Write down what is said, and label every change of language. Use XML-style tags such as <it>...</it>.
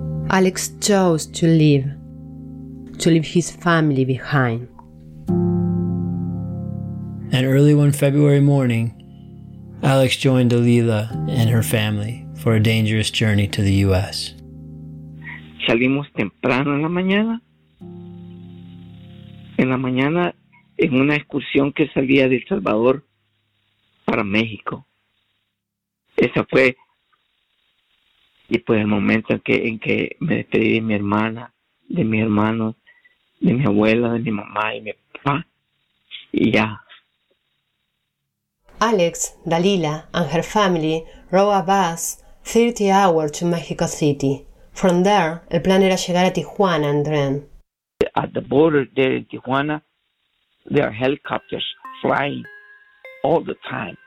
<en>Alex chose to leave his family behind. And early one February morning, Alex joined Dalila and her family for a dangerous journey to the U.S.</en> <es>Salimos temprano en la mañana, en una excursión que salía de El Salvador para México. Esa fue. Y pues el momento en que me despedí de mi hermana, de mi hermano, de mi abuela, de mi mamá y mi papá, y ya.</es> <en>Alex, Dalila, and her family rode a bus 30 hours to Mexico City. From there,</en> <es>el plan era llegar a Tijuana</es> <en>and then. At the border there in Tijuana, there are helicopters flying all the time.</en>